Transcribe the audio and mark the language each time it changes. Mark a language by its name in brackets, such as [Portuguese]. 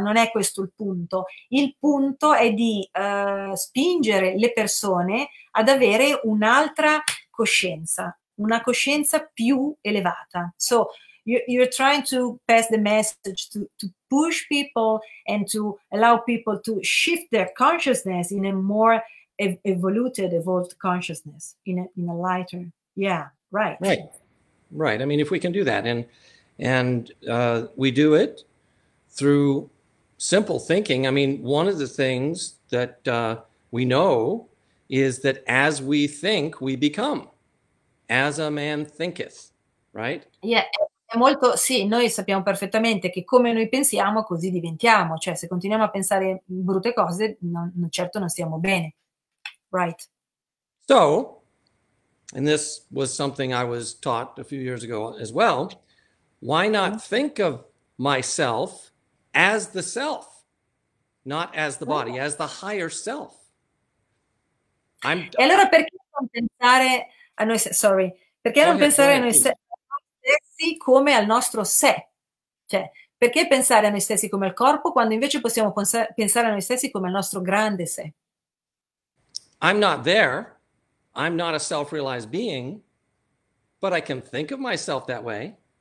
[Italian] Non è questo il punto. Il punto è di spingere le persone ad avere un'altra coscienza, una coscienza più elevata. [English] So, you're trying to pass the message to push people and to allow people to shift their consciousness in a more evolved consciousness, in a lighter. Yeah, right. Right. Right. I mean, if we can do that, and we do it through simple thinking. I mean, one of the things that we know is that as we think, we become. As a man thinketh, right? [Italian] Yeah, è molto, sì, noi sappiamo perfettamente che come noi pensiamo, così diventiamo. Cioè, se continuiamo a pensare brutte cose, non, certo non stiamo bene. [English] Right. So, and this was something I was taught a few years ago as well, why not think of myself as the self, not as the body, as the higher self? [Italian] E allora perché non pensare a noi stessi? Sorry, perché non pensare a noi stessi come al nostro sé? Cioè, perché pensare a noi stessi come al corpo quando invece possiamo pensare a noi stessi come al nostro grande sé? [English] I'm not there. I'm not a self-realized being, but I can think of myself that way.